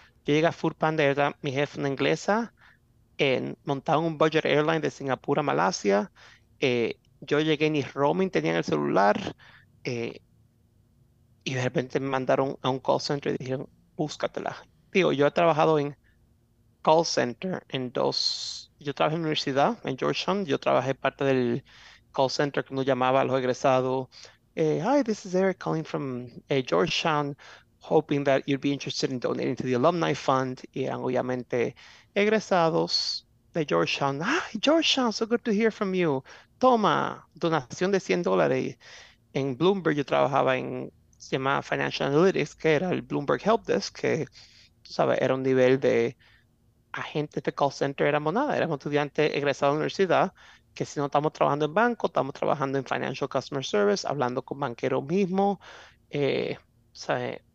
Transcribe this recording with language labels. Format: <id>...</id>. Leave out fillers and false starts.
<es>Yo llegué a Foodpanda, era mi jefe, una inglesa, montaba un</es> <en>budget airline</en> <es>de Singapur a Malasia, yo llegué, ni roaming tenía en el celular, y de repente me mandaron a un call center y dijeron, búscatela. Digo, yo he trabajado en call center en dos. Yo trabajé en la universidad, en Georgetown. Yo trabajé parte del call center que uno llamaba a los egresados.</es> <en>Hi, this is Eric calling from Georgetown, hoping that you'd be interested in donating to the alumni fund.</en> <es>Y eran obviamente egresados de Georgetown.</es> <en>Ay, Georgetown, so good to hear from you.</en> <es>Toma, donación de $100. En Bloomberg, yo trabajaba en, se llamaba Financial Analytics, que era el Bloomberg Help Desk, que, ¿sabes? Era un nivel de agentes de call center, éramos nada, éramos estudiantes egresados de la universidad, que si no estamos trabajando en banco, estamos trabajando en</es> <en>financial customer service,</en> <es>hablando con banqueros mismos, ¿sabes?</es>